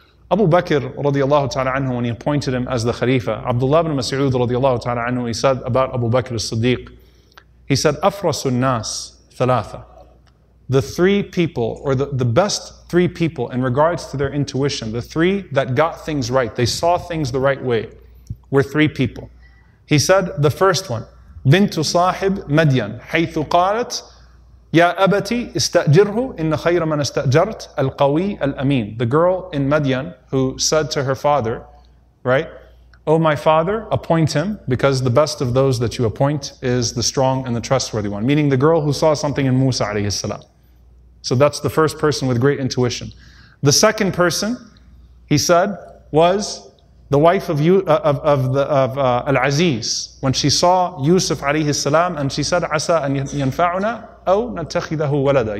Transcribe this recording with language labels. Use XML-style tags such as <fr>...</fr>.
<en>Abu Bakr radiallahu ta'ala anhu, when he appointed him as the Khalifa, Abdullah ibn Mas'ud radiallahu ta'ala anhu, he said about Abu Bakr as-Siddiq, he said,</en> <ar>أفرس الناس ثلاثة.</ar> <en>The three people, or the best three people in regards to their intuition, the three that got things right, they saw things the right way, were three people. He said, the first one,</en> <ar>بنت صاحب مدين حيث قالت يا أبتي استأجره إن خير من استأجرت القوي الأمين.</ar> <en>The girl in Madian who said to her father, right, oh my father, appoint him, because the best of those that you appoint is the strong and the trustworthy one. Meaning the girl who saw something in Musa alayhi salam. So that's the first person with great intuition. The second person, he said, was the wife of Al-Aziz, when she saw Yusuf alayhi salam, and she said,</en> <ar>عَسَىٰ أَن يَنْفَعُنَا أَوْ نَتَّخِذَهُ وَلَدًا.</ar>